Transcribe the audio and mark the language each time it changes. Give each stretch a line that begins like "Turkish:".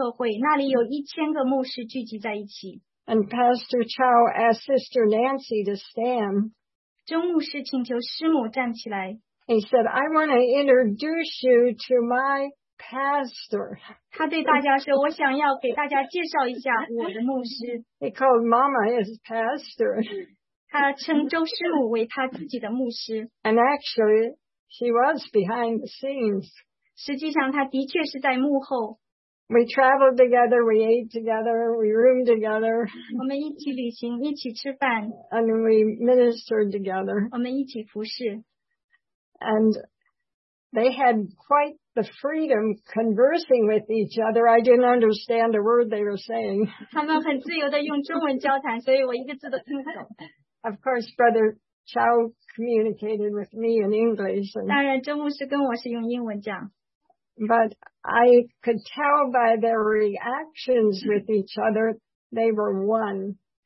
Chinese: 我特别记得在马来西亚有一次的特会，那里有1,000个牧师聚集在一起。
English: And Pastor Chow asked Sister Nancy to stand.
Chinese: 周牧师请求师母站起来。
English: He said, I want to introduce you to my pastor.
Chinese: 他对大家说，我想要给大家介绍一下我的牧师。
English: He called Mama his pastor.
Chinese: 他称周师母为他自己的牧师。
English: And actually, she was behind the scenes.
Chinese: 实际上，他的确是在幕后。
English: We traveled together, we ate together, we roomed together.
Chinese: 我们一起旅行，一起吃饭。
English: And we ministered together.
Chinese: 我们一起服侍。
English: And they had quite the freedom conversing with each other. I didn't understand a word they were saying.
Chinese: 他们很自由地用中文交谈，所以我一个字都听不懂。
English: Of course, Brother Chow communicated with me in English. And,
Chinese: 当然，周牧师跟我是用英文讲。
English: But I could tell by their reactions with each other, they were one.